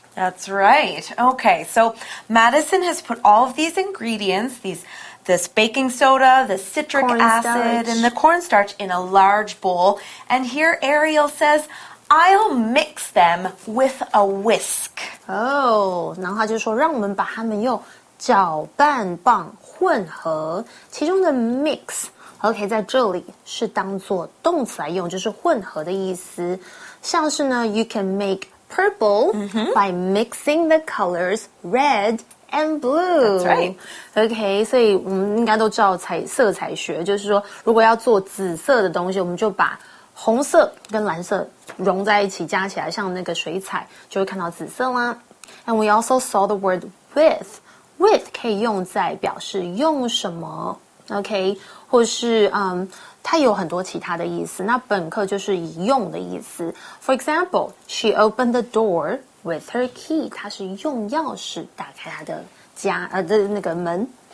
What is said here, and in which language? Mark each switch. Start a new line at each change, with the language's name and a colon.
English: That's right. Okay, so Madison has put all of these ingredients, this baking soda, the citric acid, and the cornstarch in a large bowl. And here Ariel says, I'll mix them with a whisk.
Chinese: Oh, 然后他就说让我们把它们用搅拌棒混合。其中的 mix, okay, 在这里是当作动词来用就是混合的意思。像是呢
English: you can make,Purple、mm-hmm. by mixing the colors red and blue. That's right.
Chinese: Okay, 所以我们应该都知道色彩学，就是说，如果要做紫色的东西，我们就把红色跟蓝色融在一起，加起来像那个水彩，就会看到紫色啦。
English: And we also saw the word with.
Chinese: With 可以用在表示用什么 ，okay， 或是它有很多其他的意思，那本课就是以用的意思。
English: For example, she opened the door with her key.
Chinese: 她是用钥匙打开她的家，那个门。